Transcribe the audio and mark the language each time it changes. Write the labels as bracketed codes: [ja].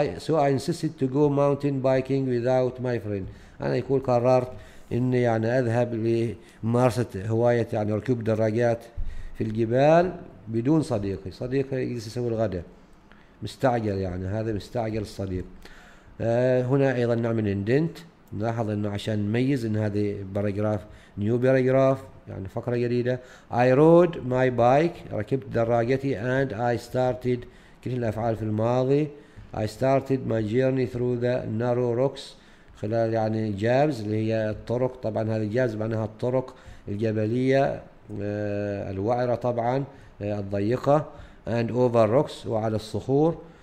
[en] so I insisted to go mountain biking without my friend، [ar] أنا يقول قررت إني يعني أذهب لممارسة هواية يعني ركوب دراجات في الجبال بدون صديقي، صديقي يجلس يسوي الغداء، مستعجل يعني، هذا مستعجل الصديق. هنا أيضا نعمل indent، نلاحظ إنه عشان نميز إن هذه باراجراف نيو باراجراف يعني فقرة جديدة. [en] I rode my bike، [ar] ركبت دراجتي، [en] and I started، [ar] كل الأفعال في الماضي. [en] I started my journey through the narrow rocks، [ar] خلال يعني جابز اللي هي الطرق، طبعا هذا جابز معناها الطرق الجبلية الوعرة طبعا الضيقة، [en] and over rocks [ar] وعلى الصخور.